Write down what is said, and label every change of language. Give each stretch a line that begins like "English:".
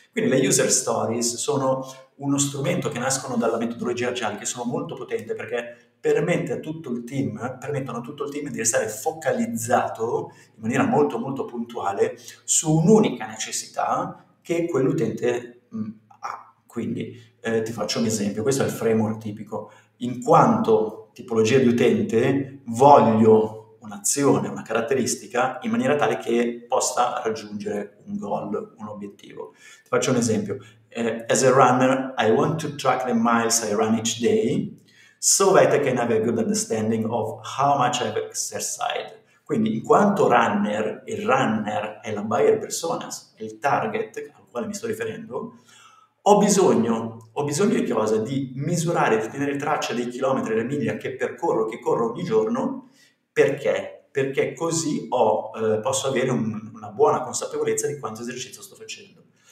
Italian: Quindi le user stories sono uno strumento che nascono dalla metodologia agile, che sono molto potenti perché permettono a tutto il team di restare focalizzato in maniera molto molto puntuale su un'unica necessità che quell'utente ha. Quindi ti faccio un esempio, questo è il framework tipico. In quanto tipologia di utente voglio un'azione, una caratteristica in maniera tale che possa raggiungere un goal, un obiettivo. Ti faccio un esempio.
English: As a runner, I want to track the miles I run each day so that I can have a good understanding of how much I've exercised.
Italian: Quindi, in quanto runner, il runner è la buyer personas, è il target al quale mi sto riferendo, ho bisogno di cosa? Di misurare, di tenere traccia dei chilometri, delle miglia che corro ogni giorno. Perché? Perché così posso avere una buona consapevolezza di quanto esercizio sto facendo.